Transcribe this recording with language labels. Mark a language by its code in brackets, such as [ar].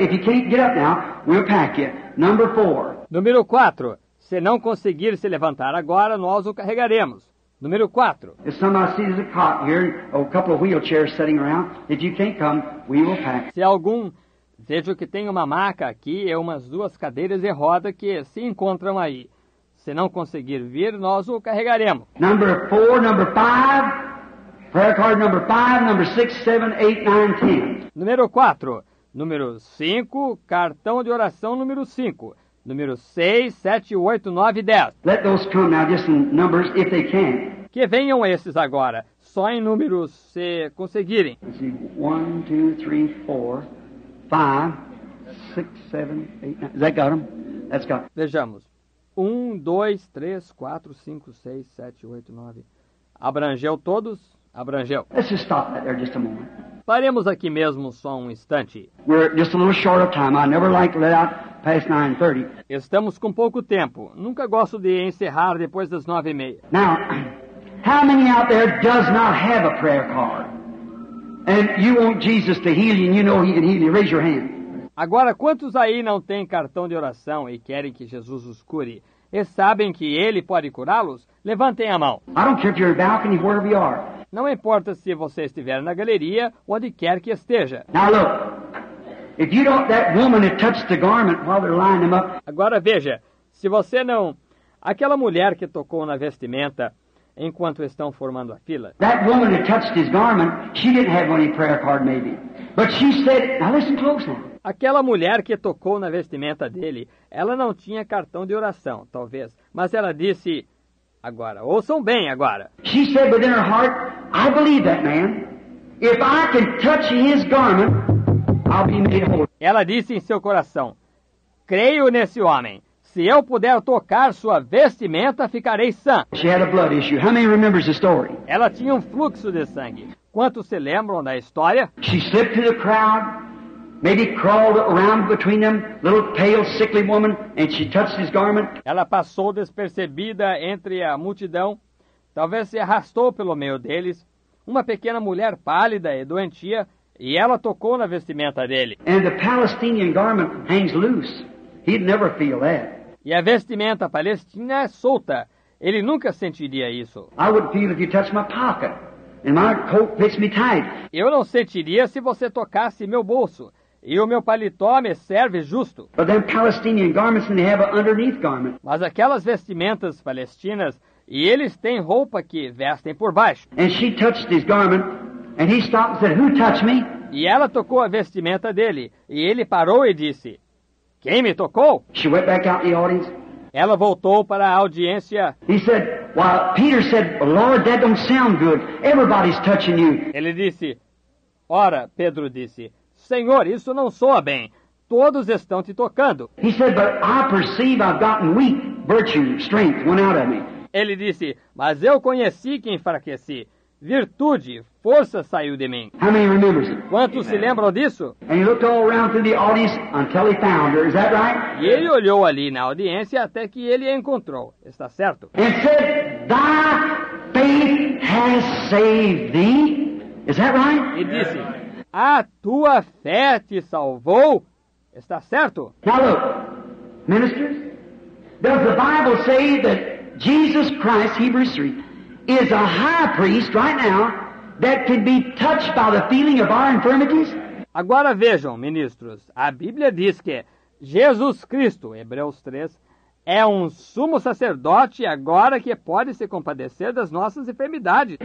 [en] If you can't get up now, we'll pack you. Number 4. [pt] Número 4. Se não conseguir se levantar agora, nós o carregaremos. Número 4. [en] If somebody sees a cot here, a couple of wheelchairs sitting around, if you can't come, we will pack. [pt] Se algum... Vejo que tem uma maca aqui e umas duas cadeiras de roda que se encontram aí. Se não conseguir vir, nós o carregaremos. [en] Number 4, number 5. Prayer card number 5, number 6, 7, 8, 9, 10. [pt] Número 4. Número 5, cartão de oração número 5. Número 6, 7, 8, 9, 10. [en] Let those come now, just in numbers, if they can. [pt] Que venham esses agora, só em números, se conseguirem. [en] Let's see, 1, 2, 3, 4, 5, 6, 7, 8, 9. Has that got them? That's got them. [pt] Vejamos. 1, 2, 3, 4, 5, 6, 7, 8, 9. Abrangeu todos? Abrangeu. [en] Let's just stop there just a moment. [pt] Paremos aqui mesmo só um instante. [en] We're just a little short of time. I never like to let out past 9:30. [pt] Estamos com pouco tempo. Nunca gosto de encerrar depois das 9:30. [en] Now, how many out there does not have a prayer card? And you want Jesus to heal you and you know he can heal you. Raise your hand. [pt] Agora, quantos aí não têm cartão de oração e querem que Jesus os cure? E sabem que Ele pode curá-los? Levantem a mão. [en] I don't care if you're in a balcony, wherever you are. [pt] Não importa se você estiver na galeria, onde quer que esteja. [en] Now look, if you don't, that woman that touched the garment while they're lining them up. [pt] Agora veja, se você não... Aquela mulher que tocou na vestimenta enquanto estão formando a fila. [en] That woman that touched his garment, she didn't have any prayer card maybe. But she said, now listen close now. [pt] Aquela mulher que tocou na vestimenta dele, ela não tinha cartão de oração, talvez. Mas ela disse, agora, ouçam bem agora. [en] She said within her heart, I believe that man. If I can touch his garment, I'll be made whole. [pt] Ela disse em seu coração, creio nesse homem. Se eu puder tocar sua vestimenta, ficarei sã. [en] She had a blood issue. How many remembers the story? [pt] Ela tinha um fluxo de sangue. Quantos se lembram da história? [en] She slipped through the crowd. Maybe crawled around between them, little pale, sickly woman, and she touched his garment. [pt] Ela passou despercebida entre a multidão. Talvez se arrastou pelo meio deles. uma pequena mulher pálida e doentia, e ela tocou na vestimenta dele. [en] And the Palestinian garment hangs loose. He'd never feel that. [pt] E a vestimenta palestina é solta. Ele nunca sentiria isso. [en] I would feel if you touch my pocket. And my coat fits me tight. [pt] Eu não sentiria se você tocasse meu bolso. E o meu paletó me serve justo. [en] But them Palestinian garments and they have an underneath garment. [pt] Mas aquelas vestimentas palestinas, e eles têm roupa que vestem por baixo. [en] And she touched his garment, and he stopped and said, "Who touched me?" [pt] E ela tocou a vestimenta dele, e ele parou e disse, "Quem me tocou?" [en] She went back out in the audience. [pt] Ela voltou para a audiência. [en] He said, "Well, Peter said, Lord, that don't sound good. Everybody's touching you." [pt] Ele disse, "Ora, Pedro disse, Senhor, isso não soa bem. Todos estão te tocando." [en] He said, "But I perceive I've gotten weak. Virtue, strength went out of me." [pt] Ele disse, "Mas eu conheci que enfraqueci. Virtude, força saiu de mim." [en] How many remembers it? [pt] Quantos Amen. Se lembram disso? [en] And he looked all around through the audience until he found her. Is that right? [pt] E ele olhou ali na audiência até que ele a encontrou. Está certo? [en] And said, "Thy faith has saved thee." Is that right? [pt] E disse, "A tua fé te salvou." Está certo? [en] Now look, ministers, does the Bible say that Jesus Christ, Hebrews 3, is a high priest right now that can be touched by the feeling of our infirmities? [pt] Agora vejam, ministros, a Bíblia diz que Jesus Cristo, Hebreus 3, é um sumo sacerdote agora que pode se compadecer das nossas enfermidades.